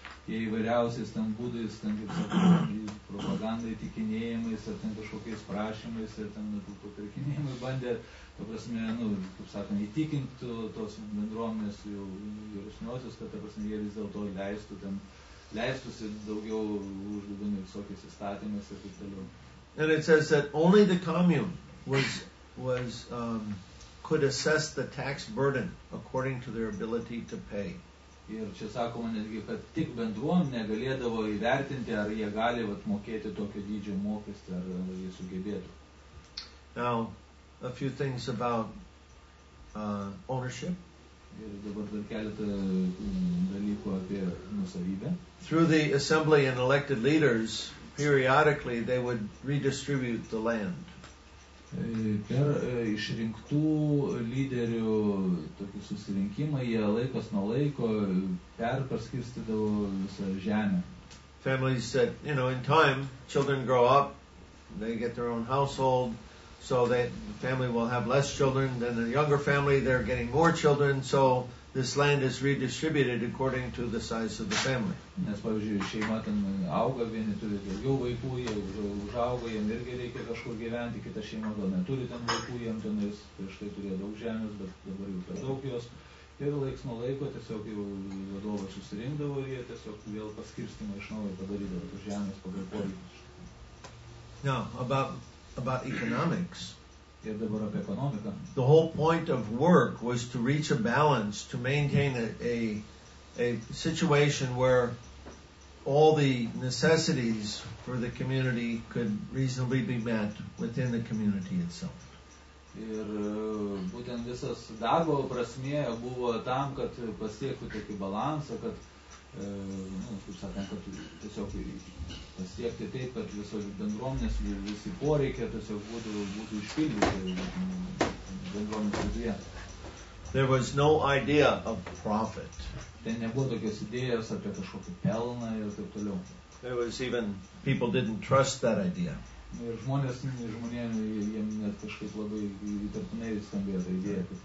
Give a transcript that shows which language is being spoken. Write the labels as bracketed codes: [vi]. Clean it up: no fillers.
[lt] tie įvairiausiais ten būdais, ten kaip sakau, propagandai, tikinėjimais, ar ten kažkokiais prašymais, ar ten papirkinėjimai bandė, ta prasme, nu, kaip sakom, įtikinti tos bendruomenės jau vyresniosios, kad, ta prasme, jie vis dėlto leistų ten, leistųsi daugiau uždavimai visokiais įstatymais ir taip toliau. [en] And it says that only the commune was could assess the tax burden according to their ability to pay. [lt] Ir čia sakoma netgi, kad tik bendruomenė galėdavo įvertinti, ar jie gali vat, mokėti tokio dydžio mokestį, ar jie sugebėtų. [en] Now, a few things about ownership. [lt] Ir dabar dar keletą dalykų apie nusavybę. [en] Through the assembly and elected leaders, periodically they would redistribute the land. [lt] Per išrinktų lyderių tokį susirinkimą jie laikas nuo laiko perskirstydavo visą žemę. [en] Families said, you know, in time children grow up, they get their own household, so that the family will have less children than the younger family, they're getting more children, so this land is redistributed according to the size of the family. [lt] Nes, pavyzdžiui, šeima ten auga, vieni turi daugiau vaikų, jie užaugo, jiem irgi reikia kažkur gyventi, kita šeima gal neturi ten vaikų, jiem ten jis prieš tai turėjo daug žemės, bet dabar jau per daug jos. Ir laiks nuo laiko tiesiog jau vadovas susirinkdavo ir jie tiesiog vėl paskirstimą iš naujo padarydavo tų žemės pagal poreikius. [en] Now, about economics. [lt] Ir dabar apie ekonomiką. [en] The whole point of work was to reach a balance, to maintain a situation where all the necessities for the community could reasonably be met within the community itself. [lt] Ir būtent visas darbo prasmė buvo tam, kad pasiektų tokį balansą, kad kaip sakant, kad tiesiog pasiekti taip, kad visos bendruomenės visi poreikia tiesiog būtų išpildyti bendruomenės viduje. [en] There was no idea of profit. [lt] Ten nebuvo tokios idėjos apie kažkokį pelną ir taip toliau. [en] There was even, people didn't trust that idea. [lt] Ir žmonėm jiem net kažkaip labai įtartinai skambėjo tą idėją.